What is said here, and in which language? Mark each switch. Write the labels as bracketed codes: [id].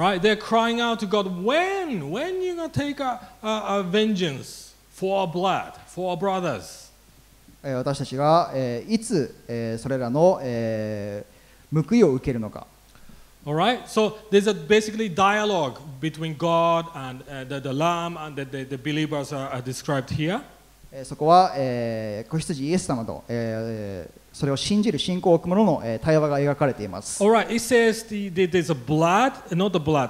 [en] Right, they're crying out to God when you gonna take a vengeance for our blood, for our brothers? [ja] 私たちが、いつ、それらの、報いを受けるのか。 [en] All right. So there's a basically dialogue between God and the Lamb and the believers are described here. [ja] そこは、子羊イエス様と、それを信じる信仰を置く者の、対話が描かれています。 [en] All right. It says there's a blood, not the blood.